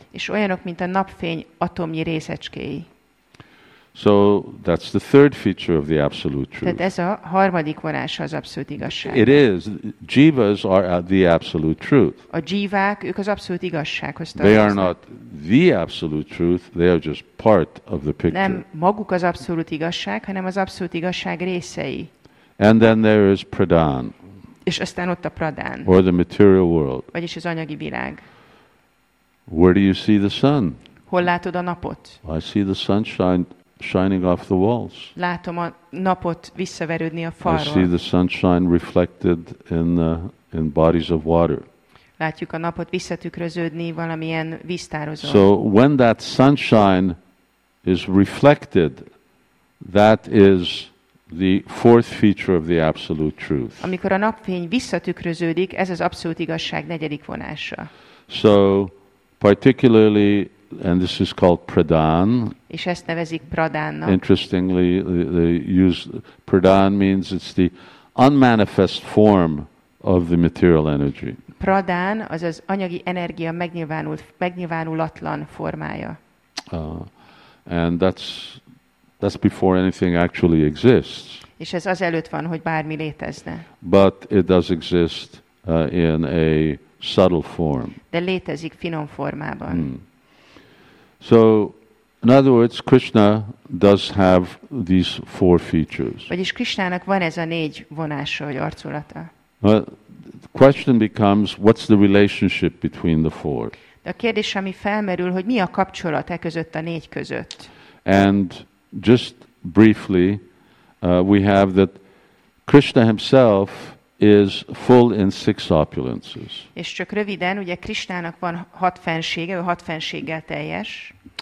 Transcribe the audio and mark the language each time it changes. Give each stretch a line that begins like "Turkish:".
Hungarian: És olyanok, mint a napfény atomnyi részecskéi.
English: So that's the third feature of the absolute truth.
Hungarian: Tehát ez a harmadik vonása az abszolút igazság.
English: It is. Jivas are the absolute truth.
Hungarian: A jivák, ők az abszolút igazsághoz tartoznak.
English: They are not the absolute truth. They are just part of the picture.
Hungarian: Nem maguk az abszolút igazság, hanem az abszolút igazság részei.
English: And then there is pradan.
Hungarian: És aztán ott a pradan.
English: Or the material world.
Hungarian: Vagyis az anyagi világ.
English: Where do you see the sun?
Hungarian: Hol látod a napot?
English: I see the sunshine shining off the walls.
Hungarian: Látom a napot visszaverődni a falról.
English: I see the sunshine reflected in bodies of water.
Hungarian: Látjuk a napot visszatükröződni valamilyen víztározón.
English: So when that sunshine is reflected, that is the fourth feature of the absolute truth.
Hungarian: Amikor a napfény visszatükröződik, ez az abszolút igazság negyedik vonása.
English: So particularly, and this is called pradan.
Hungarian: És ezt nevezik pradánnak.
English: Interestingly, they use pradan means it's the unmanifest form of the material energy.
Hungarian: Pradan az az anyagi energia megnyilvánulatlan formája.
English: And that's before anything actually exists.
Hungarian: És ez az előtt van, hogy bármi létezne.
English: But it does exist in a subtle form.
Hungarian: De létezik finom formában.
English: So, in other words, Krishna does have these four features.
Hungarian: Vagyis Krishnának van ez a négy vonása, vagy arculata.
English: The question becomes, what's the relationship between the four?
Hungarian: De a kérdés, ami felmerül, hogy mi a kapcsolat e között a négy között?
English: And just briefly, we have that Krishna himself is full in six opulences.
Hungarian: És csak röviden, ugye Krishnának van hat fensége, ő hat fenséggel teljes.